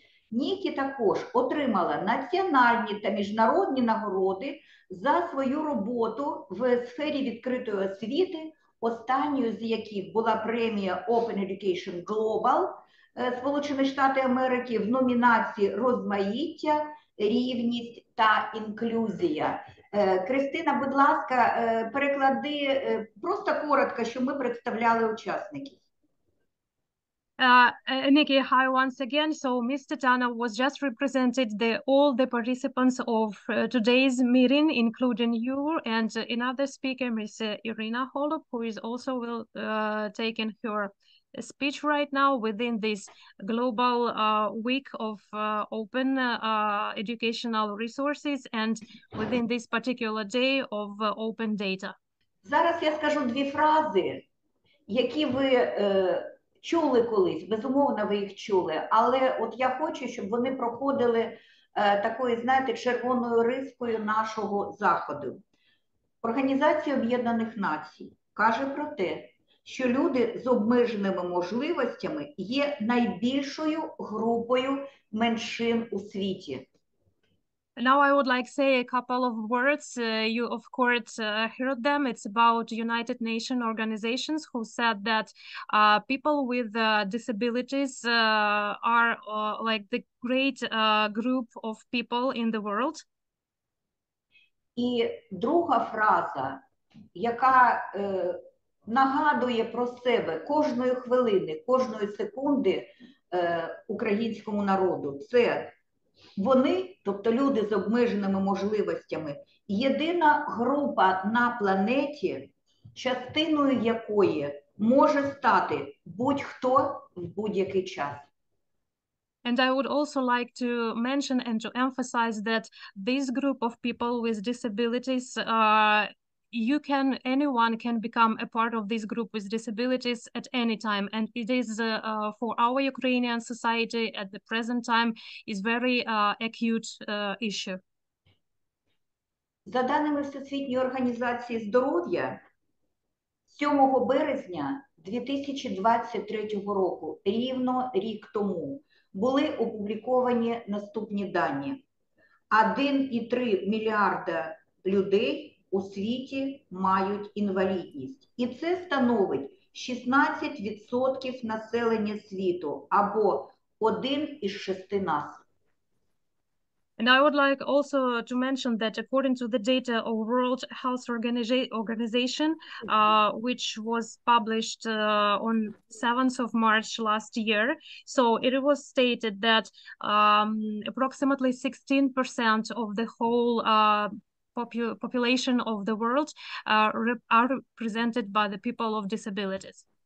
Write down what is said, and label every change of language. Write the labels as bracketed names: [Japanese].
[Ukrainian] Нікі також отримала національні та міжнародні нагороди за свою роботу в сфері відкритої освіти, останньою з яких була премія Open Education Global Сполучені Штати Америки в номінації «Розмаїття, рівність та інклюзія». Кристина, будь ласка, переклади просто коротко, що ми представляли учасників. [English] Nikki, hi once again. So Ms. Tatiana was just represented the all the participants of today's meeting, including you and another speaker, Ms. Irina Holub, who is also will taking her speech right now within this global week of open educational resources and within this particular day of open data. [Ukrainian] Зараз я скажу дві фрази, які ви чули колись, безумовно, ви їх чули, але от я хочу, щоб вони проходили такою, знаєте, червоною рискою нашого заходу. Організація Об'єднаних Націй каже про те, що люди з обмеженими можливостями є найбільшою групою меншин у світі. [English] Now I would like say a couple of words. You of course heard them. It's about United Nations organizations who said that people with disabilities are like the great group of people in the world. [Ukrainian] І друга фраза, яка нагадує про себе кожної хвилини, кожної секунди українському народу, це вони, тобто люди з обмеженими можливостями, єдина група на планеті, частиною якої може стати будь-хто в будь-який час. [English] And I would also like to mention and to emphasize that this group of people with disabilities, you can, anyone can become a part of this group with disabilities at any time. And it is for our Ukrainian society at the present time is very acute issue. [Ukrainian] За даними Всесвітньої організації здоров'я, 7 березня 2023 року, рівно рік тому, були опубліковані наступні дані. 1,3 мільярда людей у світі мають інвалідність. І це становить 16% населення світу або один із шести нас. [English] And I would like also to mention that according to the data of World Health Organization, which was published on 7th of March last year, so it was stated that approximately 16% of the whole population of the world are represented by the people of disabilities.